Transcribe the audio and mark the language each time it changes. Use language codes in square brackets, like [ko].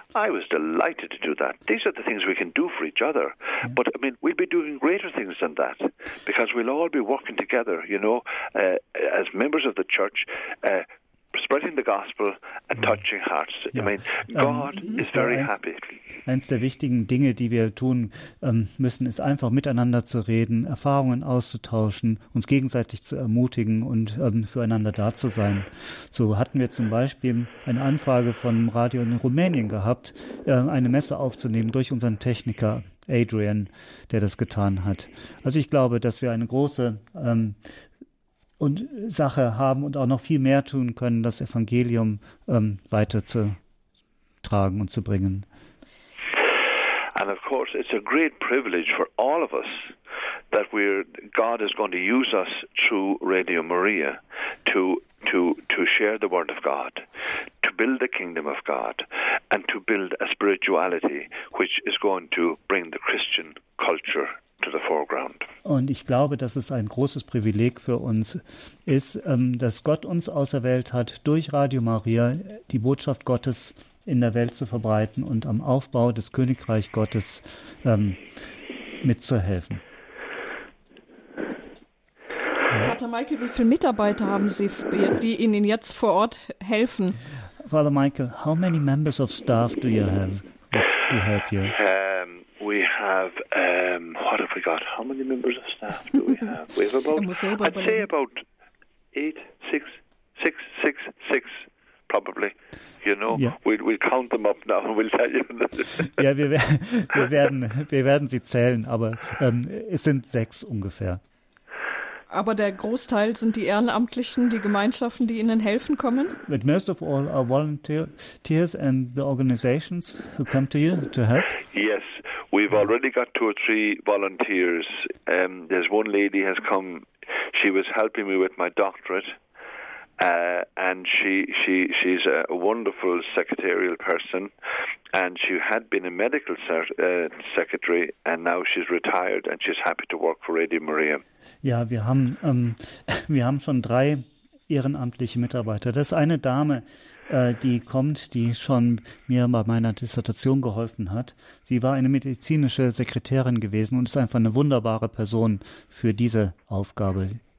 [en] I was delighted to do that. These are the things we can do for each other. Mm-hmm. But, I mean, we'll be doing greater things than that, because we'll all be working together, you know, as members of the Church, spreading the gospel and touching hearts. Ja. I mean, God is very happy. [de] Eins der wichtigen Dinge, die wir tun müssen, ist einfach miteinander zu reden, Erfahrungen auszutauschen, uns gegenseitig zu ermutigen und füreinander da zu sein. So hatten wir zum Beispiel eine Anfrage von Radio in Rumänien gehabt, eine Messe aufzunehmen durch unseren Techniker Adrian, der das getan hat. Also ich glaube, dass wir eine große und Sache haben und auch noch viel mehr tun können, das Evangelium weiterzutragen und zu bringen. [en] And of course it's a great privilege for all of us that God is going to use us through Radio Maria to share the word of God, to build the kingdom of God and to build a spirituality which is going to bring the Christian culture to the foreground. [de] Und ich glaube, dass es ein großes Privileg für uns ist, dass Gott uns auserwählt hat, durch Radio Maria die Botschaft Gottes in der Welt zu verbreiten und am Aufbau des Königreichs Gottes mitzuhelfen. Pater Michael, wie viele Mitarbeiter haben Sie, die Ihnen jetzt vor Ort helfen? [en] Father Michael, how many members of staff do you have to help you? We have, what have we got? How many members of staff do we have? About six, probably, you know. Yeah. We'll count them up now and we'll tell you. [de] Ja, wir werden sie zählen, aber es sind sechs ungefähr. Aber der Großteil sind die Ehrenamtlichen, die Gemeinschaften, die Ihnen helfen kommen? [en] But most of all are volunteers and the organizations who come to you to help? Yes, we've already got two or three volunteers. There's one lady has come, she was helping me with my doctorate. And she's a wonderful secretarial person, and she had been a medical secretary, and now she's retired, and she's happy to work for Radio Maria. [de] Ja, wir haben schon drei ehrenamtliche Mitarbeiter. Das ist eine Dame, die kommt, die schon mir bei meiner Dissertation geholfen hat. Sie war eine medizinische Sekretärin gewesen und ist einfach eine wunderbare Person für diese Aufgabe.